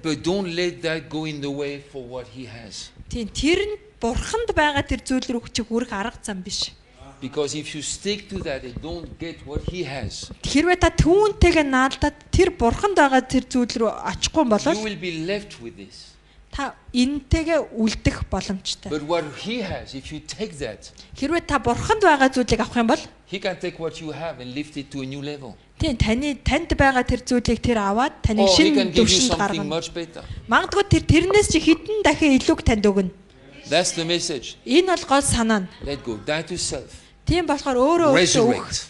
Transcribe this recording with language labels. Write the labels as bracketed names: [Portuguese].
[English] But don't let that go in the way for what he has. [Mongolian] Тийм, тэр нь бурханд байгаа тэр зүйл рүү чиг үрэх арга зам биш. [English] Because if you stick to that, it don't get what he has. [Mongolian] Хэрвээ та түүнтэйгээ наалдаад тэр бурханд байгаа тэр зүйл рүү очихгүй бол [English] you will be left with this. [Mongolian] Та энтэйгээ үлдэх боломжтой. [English] But what he has, if you take that. [Mongolian] Хэрвээ та бурханд байгаа зүйлийг авах юм бол [English] he can take what you have and lift it to a new level. [Mongolian] Тэгээ таны танд байгаа тэр зүйлийг тэр аваад таны шинэ түвшинд гаргана. Магадгүй тэрнээс ч хитэн дахин илүүг танд өгнө. [English] That's the message. [Mongolian] Энэ бол гол санаа нь. [English] Let go. Die to self. [Mongolian] Тийм болохоор өөрөө өөртөө өгөх.